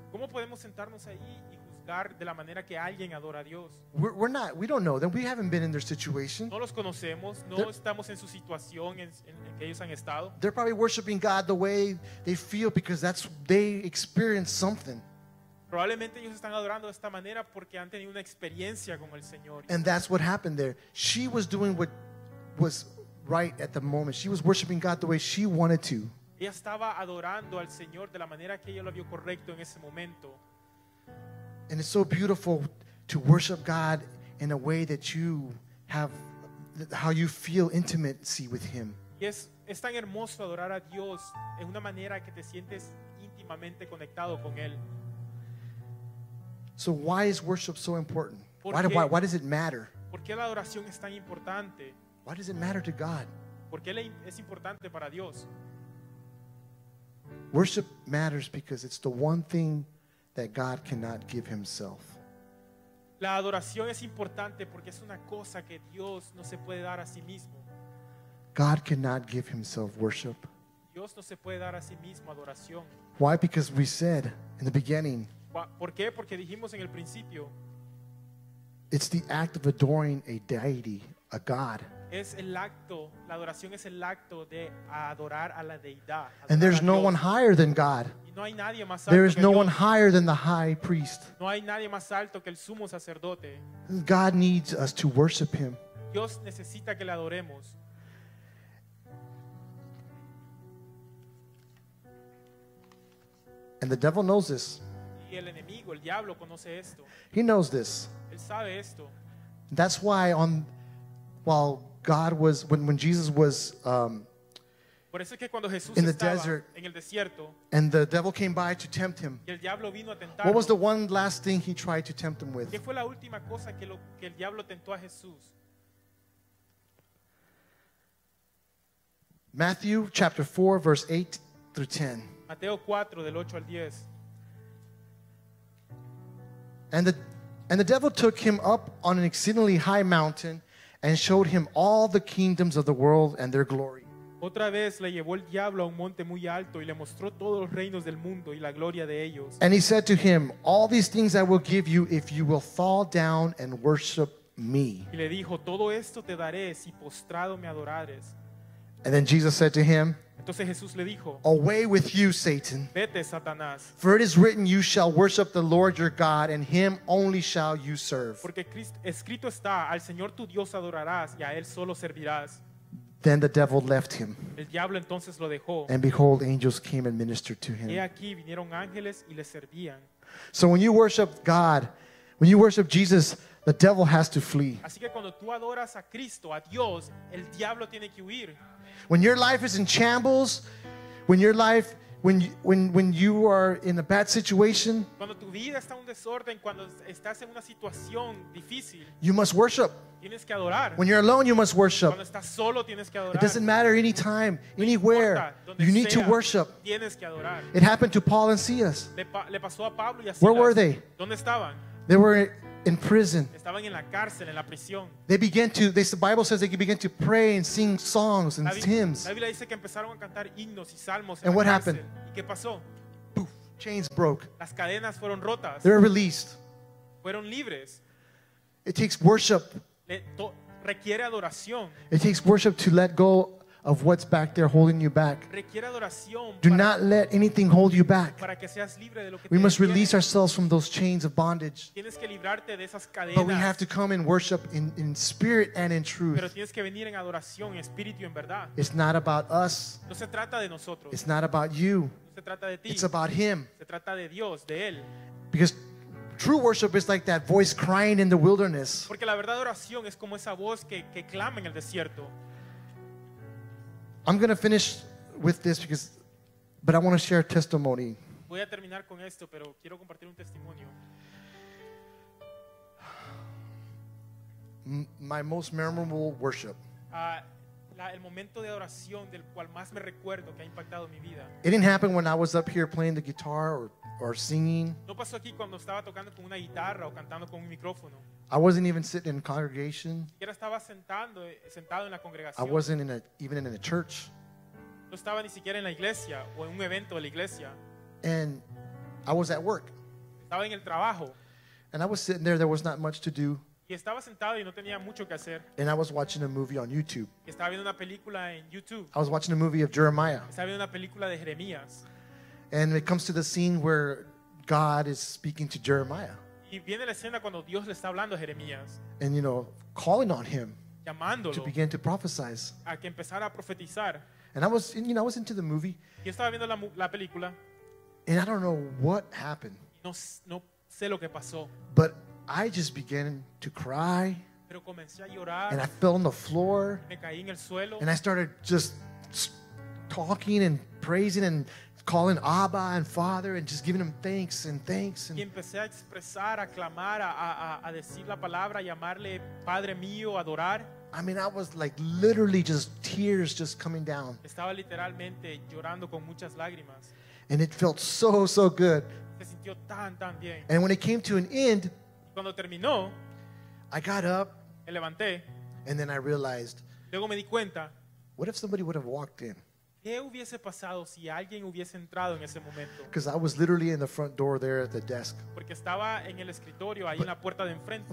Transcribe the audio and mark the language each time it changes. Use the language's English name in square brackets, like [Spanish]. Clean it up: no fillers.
[Spanish] ¿Cómo podemos sentarnos ahí y de la manera que alguien adora a Dios? [English] We don't know them. We haven't been in their situation. [Spanish] No los conocemos. No estamos en su situación en que ellos han estado. [English] They're probably worshiping God the way they feel because they experienced something. [Spanish] Probablemente ellos están adorando de esta manera porque han tenido una experiencia con el Señor. [English] And that's what happened there. She was doing what was right at the moment. She was worshiping God the way she wanted to. [Spanish] Ella estaba adorando al Señor de la manera que ella lo vio correcto en ese momento. [English] And it's so beautiful to worship God in a way that you have, how you feel intimacy with Him. [Spanish] Yes, es tan hermoso adorar a Dios en una manera que te sientes íntimamente conectado con él. [English] So why is worship so important? Why does it matter? [Spanish] ¿Por qué la adoración es tan importante? [English] Why does it matter to God? [Spanish] ¿Por qué es importante para Dios? [English] Worship matters because it's the one thing that God cannot give himself. [Spanish] La adoración es importante porque es una cosa que Dios no se puede dar a sí mismo. [English] God cannot give himself worship. [Spanish] Dios no se puede dar a sí mismo adoración. [English] Why? Because we said in the beginning. [Spanish] ¿Por qué? Porque dijimos en el principio. [English] It's the act of adoring a deity, a God. [Spanish] Es el acto, la adoración es el acto de adorar a la deidad. [English] And there's no one higher than God. [Spanish] No hay nadie más alto. [English] There is no [Spanish] Dios. [English] One higher than the high priest. [Spanish] No hay nadie más alto que el sumo sacerdote. [English] God needs us to worship him. [Spanish] Dios necesita que le adoremos. [English] And the devil knows this. [Spanish] Y el enemigo, el diablo, conoce esto. [English] He knows this. [Spanish] Él sabe esto. [English] That's why when Jesus was [Spanish] por eso es que cuando Jesús [English] in the desert [Spanish] en el desierto, [English] and the devil came by to tempt him, [Spanish] y el diablo vino a tentarlo, [English] what was the one last thing he tried to tempt him with? [Spanish] ¿Qué fue la última cosa que el diablo tentó a Jesús? [English] Matthew chapter 4, verse 8 through 10. [Spanish] Mateo 4, del 8 al 10. [English] And the devil took him up on an exceedingly high mountain and showed him all the kingdoms of the world and their glory. [Spanish] Otra vez le llevó el diablo a un monte muy alto y le mostró todos los reinos del mundo y la gloria de ellos. [English] And he said to him, all these things I will give you if you will fall down and worship me. [Spanish] Y le dijo, todo esto te daré si postrado me adorares. [English] And then Jesus said to him, [Spanish] entonces Jesús le dijo, [English] away with you, Satan. [Spanish] Vete, Satanás. [English] For it is written, you shall worship the Lord your God, and him only shall you serve. [Spanish] Porque escrito está, al Señor tu Dios adorarás, y a él solo servirás. [English] Then the devil left him. [Spanish] El diablo entonces lo dejó. [English] And behold, angels came and ministered to him. [Spanish] He aquí, vinieron ángeles y le servían. [English] So when you worship God, when you worship Jesus, the devil has to flee. [Spanish] Así que cuando tú adoras a Cristo, a Dios, el diablo tiene que huir. [English] When your life is in shambles, when you are in a bad situation, [Spanish] cuando tu vida está un desorden, cuando estás en una situación difícil, [English] you must worship. [Spanish] Tienes que adorar. [English] When you're alone, you must worship. [Spanish] Cuando estás solo, tienes que adorar. [English] It doesn't matter anytime, [Spanish] no [English] anywhere. You need [Spanish] sea, [English] to worship. [Spanish] Tienes que adorar. [English] It happened to Paul and Silas. [Spanish] Le pasó a Pablo y a Silas. [English] Where were they? [Spanish] ¿Dónde estaban? [English] They were in prison. [Spanish] Estaban en la cárcel, en la prisión. [English] They began to, the Bible says they began to pray and sing songs and hymns. [Spanish] La Biblia dice que empezaron a cantar himnos y salmos. [English] And what [Spanish] cárcel. [English] Happened? [Spanish] ¿Y qué pasó? [English] Poof, chains broke. [Spanish] Las cadenas fueron rotas. [English] They were released. [Spanish] Fueron libres. [English] It takes worship. [Spanish] Requiere adoración. [English] It takes worship to let go of what's back there holding you back. [Spanish] Requiere adoración. [English] Do not let anything hold you back. [Spanish] Para que seas libre de lo que [English] we must release tienes. Ourselves from those chains of bondage. [Spanish] Tienes que librarte de esas cadenas. [English] But we have to come and worship in spirit and in truth. [Spanish] Pero tienes que venir en adoración, en espíritu y en verdad. [English] It's not about us. [Spanish] No se trata de nosotros. [English] It's not about you. [Spanish] No se trata de ti. [English] It's about him. [Spanish] Se trata de Dios, de él. [English] Because true worship is like that voice crying in the wilderness. [Spanish] Porque la verdadera adoración es como esa voz que clama en el desierto. [English] I'm going to finish with this because, but I want to share a testimony. [Spanish] Voy a terminar con esto, pero quiero compartir un testimonio. [English] My most memorable worship. [Spanish] El momento de adoración del cual más me recuerdo que ha impactado mi vida. [English] It didn't happen when I was up here playing the guitar or singing. [Spanish] No pasó aquí cuando estaba tocando con una guitarra o cantando con un micrófono. [English] I wasn't even sitting in congregation. [Spanish] Yo estaba sentado en la congregación. [English] I wasn't even in a church. [Spanish] No estaba ni siquiera en la iglesia o en un evento de la iglesia. [English] And I was at work. [Spanish] Estaba en el trabajo. [English] And I was sitting there was not much to do. [Spanish] Y estaba sentado y no tenía mucho que hacer. [English] And I was watching a movie on YouTube. [Spanish] Y estaba viendo una película en YouTube. [English] I was watching a movie of Jeremiah. [Spanish] Estaba viendo una película de Jeremías. [English] And it comes to the scene where God is speaking to Jeremiah. [Spanish] Y viene la escena cuando Dios le está hablando a Jeremías. [English] And you know, calling on him. [Spanish] Llamándolo. [English] To begin to prophesize. [Spanish] A que empezara a profetizar. [English] And I was, you know, I was into the movie. [Spanish] Y estaba viendo la película. [English] And I don't know what happened. [Spanish] No sé lo que pasó. [English] But I just began to cry. [Spanish] Pero comencé a llorar. [English] And I fell on the floor. [Spanish] Me caí en el suelo. [English] And I started just talking and praising and calling Abba and Father and just giving him thanks and thanks. [Spanish] Y empecé a expresar, a clamar, a decir la palabra, llamarle Padre mío, adorar. [English] I mean, I was like literally just tears just coming down. [Spanish] Estaba literalmente llorando con muchas lágrimas. [English] And it felt so, so good. [Spanish] Se sintió tan, tan bien. [English] And when it came to an end, [Spanish] cuando terminó, [English] I got up. [Spanish] Me levanté. [English] And then I realized, [Spanish] luego me di cuenta, [English] what if somebody would have walked in? [Spanish] ¿Qué hubiese pasado si alguien hubiese entrado en ese momento? [English] Because I was literally in the front door there at the desk. [Spanish] Porque estaba en el escritorio ahí en la puerta de enfrente.